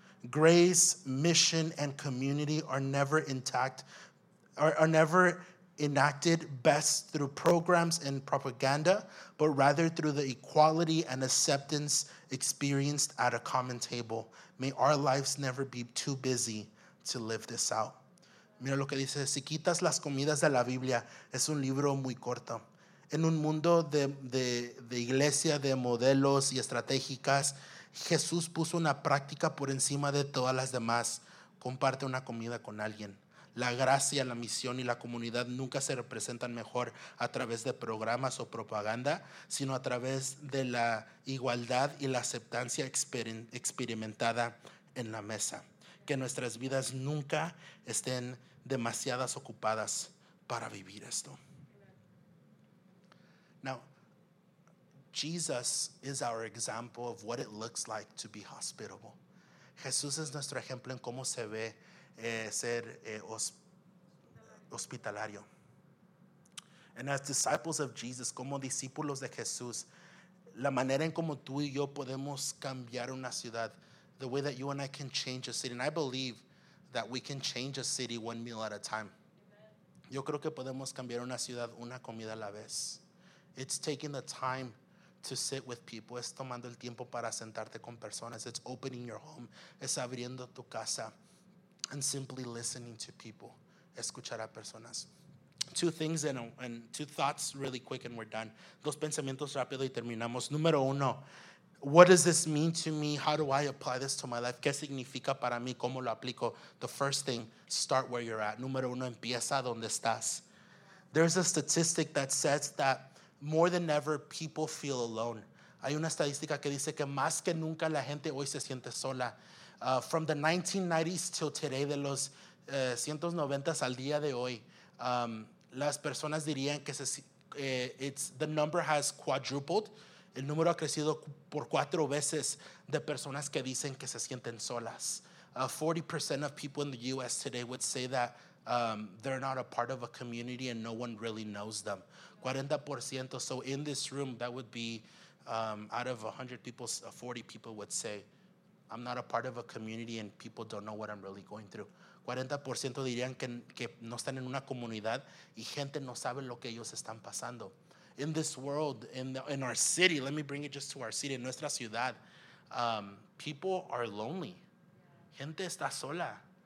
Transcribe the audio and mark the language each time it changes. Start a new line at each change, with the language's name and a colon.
English: Grace, mission, and community are never intact, are never enacted best through programs and propaganda, but rather through the equality and acceptance experienced at a common table. May our lives never be too busy to live this out.
Spanish: Mira lo que dice, si quitas las comidas de la Biblia, es un libro muy corto. En un mundo de iglesia, de modelos y estratégicas, Jesús puso una práctica por encima de todas las demás. Comparte una comida con alguien. La gracia, la misión y la comunidad nunca se representan mejor a través de programas o propaganda, sino a través de la igualdad y la aceptancia experimentada en la mesa. Que nuestras vidas nunca estén demasiadas ocupadas para vivir esto.
English: Now, Jesus is our example of what it looks like to be hospitable.
Spanish: Jesús es nuestro ejemplo en cómo se ve ser hospitalario.
English: And as disciples of Jesus,
Spanish: como discípulos de Jesús, la manera en cómo tú y yo podemos cambiar una ciudad,
English: the way that you and I can change a city. And I believe that we can change a city one meal at a time.
Spanish: Yo creo que podemos cambiar una ciudad una comida a la vez.
English: It's taking the time to sit with people.
Spanish: Es tomando el tiempo para sentarte con personas.
English: It's opening your home.
Spanish: Es abriendo tu casa
English: and simply listening to people.
Spanish: Escuchar a personas.
English: Two things and two thoughts really quick and we're done.
Spanish: Dos pensamientos rápido y terminamos. Número uno,
English: what does this mean to me? How do I apply this to my life?
Spanish: ¿Qué significa para mí? ¿Cómo lo aplico?
English: The first thing, start where you're at.
Spanish: Número uno, empieza donde estás.
English: There's a statistic that says that more than ever, people feel alone.
Spanish: Hay una estadística que dice que más que nunca la gente hoy se siente sola.
English: From the 1990s till today,
Spanish: de los 190s al día de hoy, las personas dirían que
English: the number has quadrupled.
Spanish: El número ha crecido por cuatro veces de personas que dicen que se sienten solas.
English: 40% of people in the U.S. today would say that they're not a part of a community and no one really knows them. 40%. So in this room, that would be out of 100 people, 40 people would say, I'm not a part of a community and people don't know what I'm really going through.
Spanish: 40% dirían que no están en una comunidad y gente no sabe lo que ellos están pasando.
English: In this world, in our city, let me bring it just to our city,
Spanish: nuestra ciudad,
English: people are lonely.
Spanish: Gente está sola.